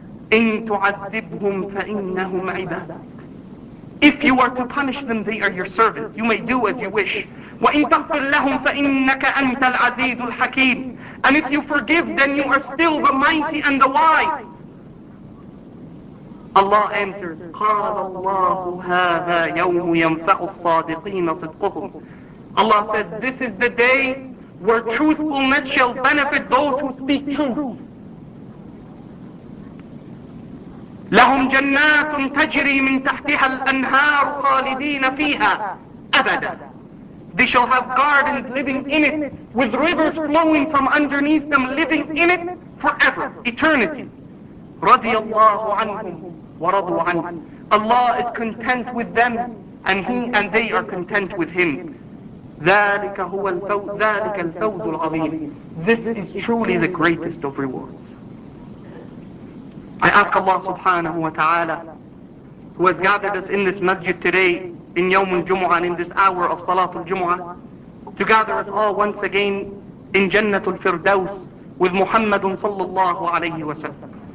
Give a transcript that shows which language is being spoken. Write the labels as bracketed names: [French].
[Arabic] إِن تُعَذِّبْهُمْ فَإِنَّهُمْ عِبَادٌ. [English] If you are to punish them, they are your servants. You may do as you wish. [Arabic] وَإِن تَغْفِرْ لَهُمْ فَإِنَّكَ أَنْتَ الْعَزِيزُ الْحَكِيمُ. [English] And if you forgive, then you are still the mighty and the wise. Allah answers, [Arabic] قَالَ اللَّهُ هَذَا يَوْمُ يَنْفَعُ الصَّادِقِينَ صِدْقُهُمْ. [English] Allah said, this is the day where truthfulness shall benefit those who speak truth. [Arabic] لهم جنات تجري من تحتها الأنهار خالدين فيها أبدا. [English] They shall have gardens living in it, with rivers flowing from underneath them, living in it forever, eternity. [Arabic] رضي الله عنهم ورضوا عنه. [English] Allah is content with them, and He and they are content with Him. [Arabic] ذلك هو الفوز ذلك الفوز العظيم. [English] This is truly the greatest of rewards. I ask Allah subhanahu wa ta'ala, who has gathered us in this masjid today, in Yawm al-Jumu'ah, in this hour of Salatul Jumu'ah, to gather us all once again in Jannatul Firdaus with Muhammadun sallallahu alayhi wa sallam.